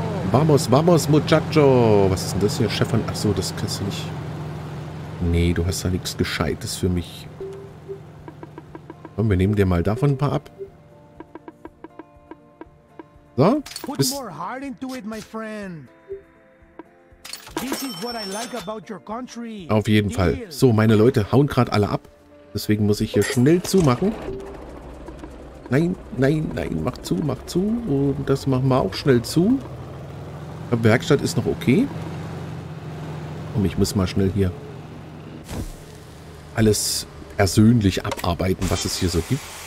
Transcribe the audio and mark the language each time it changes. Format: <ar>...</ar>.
<es>Vamos, vamos, muchacho.</es> <de>Was ist denn das hier, Chef? Achso, das kannst du nicht. Nee, du hast da nichts Gescheites für mich. Komm, wir nehmen dir mal davon ein paar ab. So?</de> <en>Put more heart into it, my friend. This is what I like about your country.</en> <de>Auf jeden Fall. So, meine Leute hauen gerade alle ab. Deswegen muss ich hier schnell zumachen. Nein, nein, nein. Mach zu, mach zu. Und das machen wir auch schnell zu. Die Werkstatt ist noch okay. Komm, ich muss mal schnell hier alles persönlich abarbeiten, was es hier so gibt.</de>